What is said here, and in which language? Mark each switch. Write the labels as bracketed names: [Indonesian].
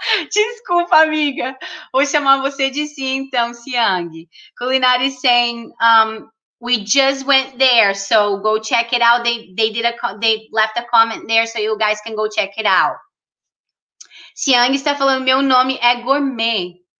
[Portuguese] Desculpa, amiga. Vou chamar você de si, então, Siang. [English] Culinary saying, we just went there, so go check it out. They left a comment there, so you guys can go check it out. [Portuguese] Siang está falando, meu nome é Gourmet.